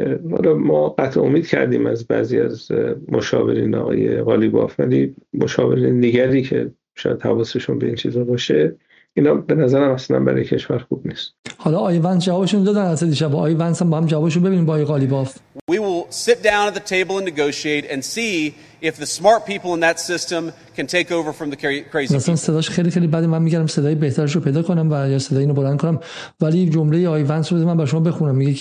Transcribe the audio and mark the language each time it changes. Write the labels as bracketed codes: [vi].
[fa] حالا ما قطع امید کردیم از بعضی از مشاورین آقای قالیباف، ولی مشاورین دیگری که شاید حواسشون به این چیزا باشه، اینا به نظرم اصلا برای کشور خوب نیست. حالا آقای ونس جوابشون دادن از دیشب، آقای ونس هم با هم جوابشون ببینیم با آقای قالیباف. [en] We will sit down at the table and negotiate and see if the smart people in that system can take over from the crazy. [fa] مثلا صداش خیلی خیلی بده، من میگم صدای بهترش رو پیدا کنم و یا صدای اینو بلند کنم، ولی جمله آقای ونس رو بذار من برای شما بخونم.